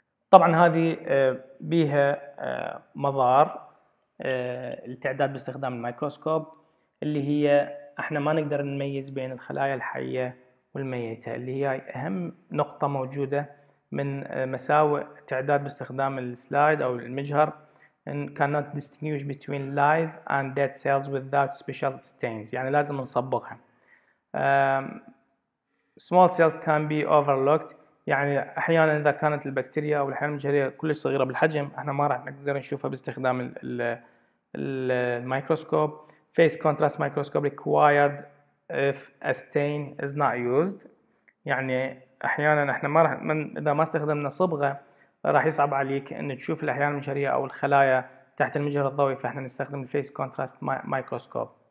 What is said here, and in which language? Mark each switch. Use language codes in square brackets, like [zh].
[ar] طبعا هذه بيها مضار التعداد باستخدام الميكروسكوب، اللي هي احنا ما نقدر نميز بين الخلايا الحية والميتة، اللي هي أهم نقطة موجودة من مساوئ تعداد باستخدام السلايد أو المجهر. [en] And cannot distinguish between live and dead cells without special stains، [ar] يعني لازم نصبغها. [en] Small cells can be overlooked، [ar] يعني احيانا اذا كانت البكتيريا او الحياة المجهرية كلش صغيرة بالحجم احنا ما راح نقدر نشوفها باستخدام الميكروسكوب. [en] Phase contrast microscope required if a stain is not used، [ar] يعني احيانا احنا ما راح اذا ما استخدمنا صبغة راح يصعب عليك ان تشوف الاحياء المجهرية او الخلايا تحت المجهر الضوئي، فاحنا نستخدم الفيس كونتراست مايكروسكوب.